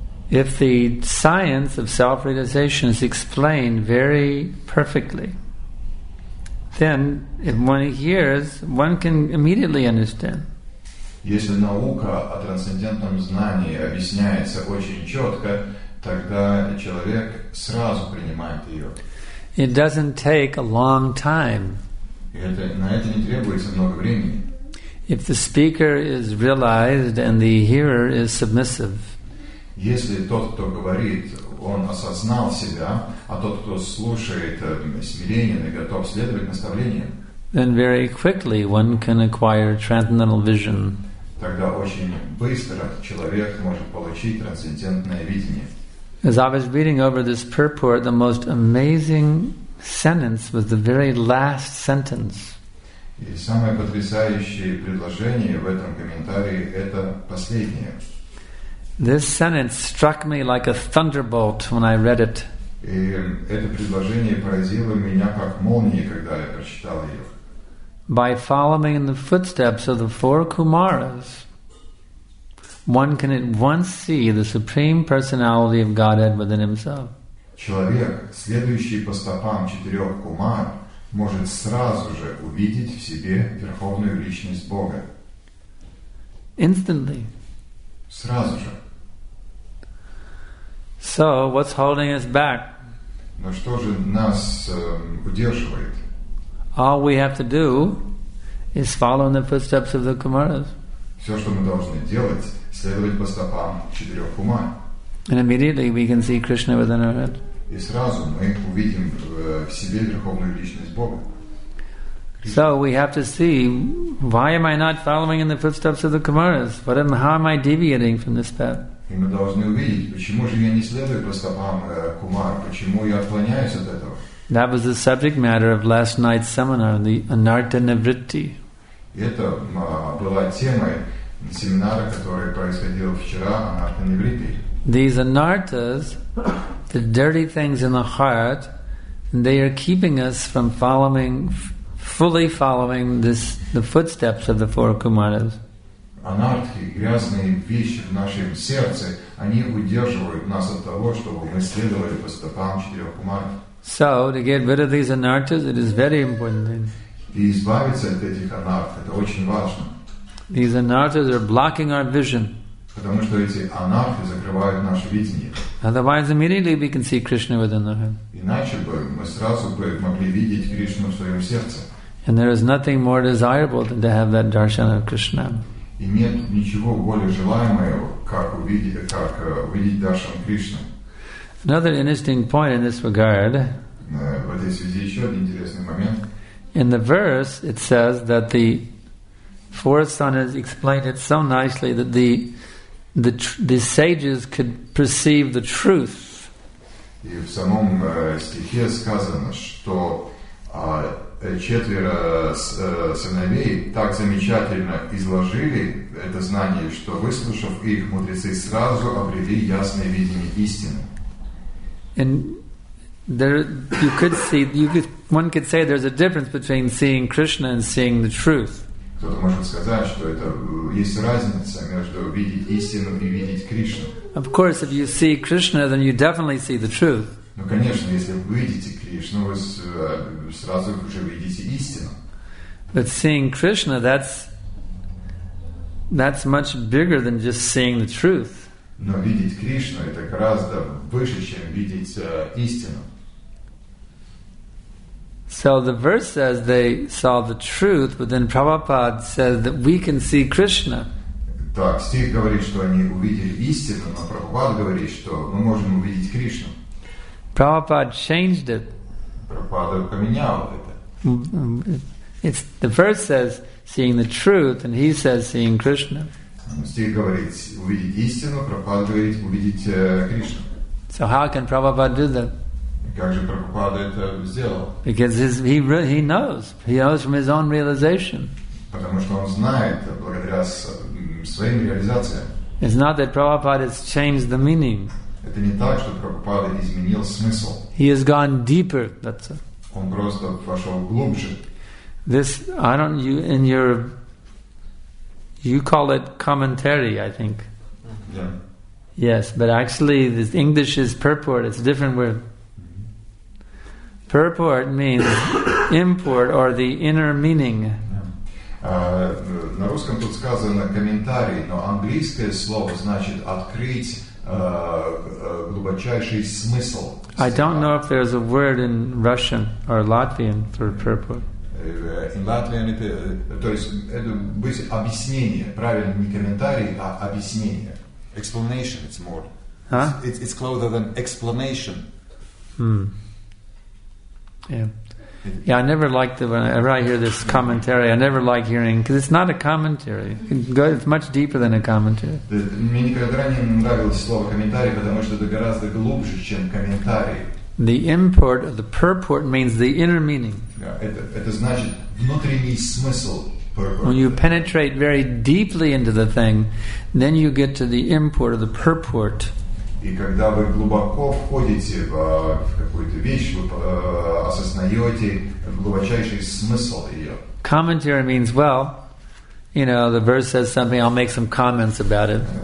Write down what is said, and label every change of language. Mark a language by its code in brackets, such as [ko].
[en] If the science of self-realization is explained very perfectly, then if one hears, one can immediately understand. [ru] Если наука о трансцендентном знании объясняется очень четко, тогда человек сразу принимает ее. [en] It doesn't take a long time. [ru] На это не требуется много времени. [en] If the speaker is realized and the hearer is submissive, [ru] если тот, кто говорит, он осознал себя, а тот, кто слушает, смиренен и готов следовать наставлениям, [en] then very quickly one can acquire transcendental vision. [ru] Тогда очень быстро человек может получить трансцендентное видение. [en] As I was reading over this purport, the most amazing sentence was the very last sentence. [ru] И самое потрясающее предложение в этом комментарии – это последнее. [en] This sentence struck me like a thunderbolt when I read it. [ru] И это предложение поразило меня как молния, когда я прочитал ее. [en] By following in the footsteps of the four Kumaras, one can at once see the Supreme Personality of Godhead within himself. [ru] Человек, следующий по стопам четырех кумар, может сразу же увидеть в себе Верховную Личность Бога. [en] Instantly. [ru] Сразу же. [en] So, what's holding us back? [ru] Но что же нас удерживает? [en] All we have to do is follow in the footsteps of the Kumaras. [ru] Все, что мы должны делать, следовать по стопам четырех кумар. [en] And immediately we can see Krishna within our head. [ru] И сразу мы увидим в себе Верховную Личность Бога. [en] So we have to see, why am I not following in the footsteps of the Kumaras? How am I deviating from this path? [ru] И мы должны увидеть, почему же я не следую по стопам Кумар, почему я отклоняюсь от этого. [en] That was the subject matter of last night's seminar, the Anartha Nivritti. [ru] Это была темой семинара, который происходил вчера, Anartha Nivritti. [en] These Anarthas, the dirty things in the heart, they are keeping us from following, fully following this, the footsteps of the four Kumaras. [ru] Анартхи, грязные вещи в нашем сердце, они удерживают нас от того, чтобы мы следовали по стопам четырех кумаров. [en] So, to get rid of these Anarthas, it is very important. [ru] И избавиться от этих Анартх, это очень важно. [en] These Anarthas are blocking our vision. [ru] Потому что эти анархи закрывают наше видение. [en] Otherwise, immediately we can see Krishna within our head. [ru] Иначе бы мы сразу бы могли видеть Кришну в своем сердце. [en] And there is nothing more desirable than to have that darshan of Krishna. [ru] И нет ничего более желаемого, как увидеть даршан Кришны. [en] Another interesting point in this regard. [ru] В этой связи еще один интересный момент. [en] In the verse, it says that the fourth son has explained it so nicely that the sages could perceive the truth. [ru] И в самом стихе сказано, что четверо сыновей так замечательно изложили это знание, что выслушав их, мудрецы сразу обрели ясное видение истины. [en] And there, one could say there's a difference between seeing Krishna and seeing the truth. [ru] Кто-то может сказать, что это есть разница между видеть истину и видеть Кришну. [en] Of course, if you see Krishna, then you definitely see the truth. [ru] Ну, конечно, если вы видите Кришну, вы сразу же видите истину. [en] But seeing Krishna, that's much bigger than just seeing the truth. [ru] Но видеть Кришну это гораздо выше, чем видеть истину. [en] So the verse says they saw the truth, but then Prabhupada says that we can see Krishna. [ru] Так, стих говорит, что они увидели истину, но Прабхупада говорит, что мы можем увидеть Кришну. [en] Prabhupada changed it. [ru] Прабхупада поменял это. [en] It's the verse says seeing the truth, and he says seeing Krishna. [ru] Стих говорит увидеть истину, Прабхупада говорит увидеть Кришну. [en] So how can Prabhupada do that? [ru] Как же Прабхупада это сделал? [en] Because he knows. He knows from his own realization. [ru] Потому что он знает благодаря своим реализациям. [en] It's not that Prabhupada has changed the meaning. [ru] Это не так, что Прабхупада изменил смысл. [en] He has gone deeper. That's it. [ru] Он просто вошел глубже. [en] This, I don't, you, in your, you call it commentary, I think. Yeah. Yes, but actually the English is purport. It's a different word. Purport means import or the inner meaning. [ru] На русском тут сказано комментарий, но английское слово значит открыть глубочайший смысл. [en] I don't know if there's a word in Russian or Latvian for purport. In Latvian [ru] то есть это быть объяснение, правильно не комментарий, а объяснение. [en] Explanation it's more. Huh? It's closer than explanation. Hmm. Yeah, I never liked it whenever I hear this commentary. I never like hearing because it's not a commentary. It's much deeper than a commentary. [ru] Мне никогда не нравилось слово комментарий, потому что это гораздо глубже, чем комментарий. [en] The import, the purport means the inner meaning. [ru] Это значит внутренний смысл. [en] When you penetrate very deeply into the thing, then you get to the import, the purport. [ru] И когда вы глубоко входите в какую-то вещь, вы осознаете глубочайший смысл ее. [en] Commentary means, well, you know, the verse says something, I'll make some comments about it.